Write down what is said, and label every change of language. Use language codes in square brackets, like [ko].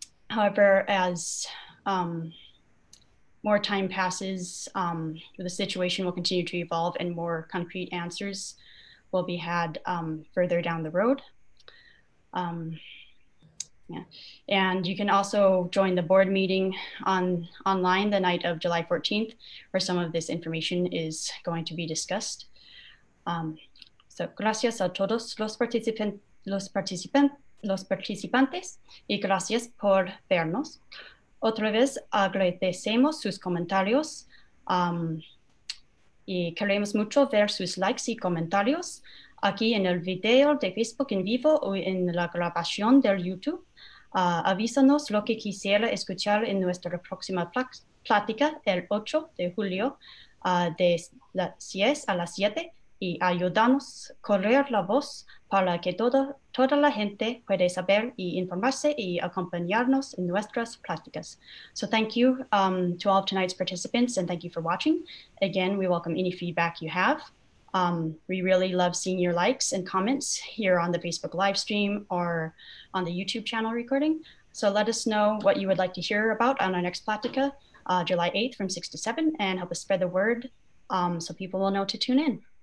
[en] However, as more time passes, the situation will continue to evolve and more concrete answers will be had further down the road. And you can also join the board meeting online the night of July 14th, where some of this information is going to be discussed. [es] So gracias a todos los participantes y gracias por vernos. Otra vez agradecemos sus comentarios y queremos mucho ver sus likes y comentarios aquí en el video de Facebook en vivo o en la grabación del YouTube. Avísanos lo que quisiera escuchar en nuestra próxima plática el 8 de julio de las 10 a las 7 y ayúdanos a correr la voz para que toda la gente pueda saber y informarse y acompañarnos en nuestras pláticas. [en] So thank you to all of tonight's participants and thank you for watching. Again, we welcome any feedback you have. We really love seeing your likes and comments here on the Facebook live stream or on the YouTube channel recording. So let us know what you would like to hear about on our next Plática, July 8th from 6 to 7, and help us spread the word so people will know to tune in.